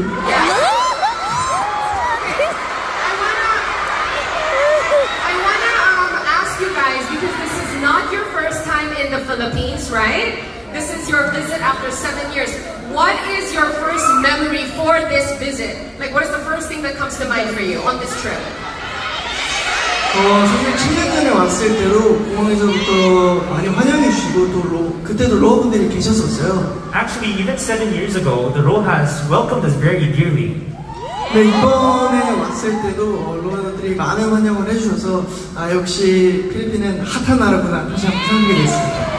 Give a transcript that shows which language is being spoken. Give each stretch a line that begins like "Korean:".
English: I wanna ask you guys, because this is not your first time in the Philippines, right? This is your visit after 7 years. What is your first memory for this visit? Like, what is the first thing that comes to mind for you on this trip?
Korean: 사실 7년 전에 왔을 때도 공항에서부터 많이 환영해 주시고 또 그때도 로하분들이 계셨었어요.
English: Actually, even 7 years ago, the Rohas welcomed us very dearly.
Korean: 네, 이번에 왔을 때도 로하분들이 많은 환영을 해주셔서 역시 필리핀은 핫한 나라구나 다시 한번 생각하게 됐습니다.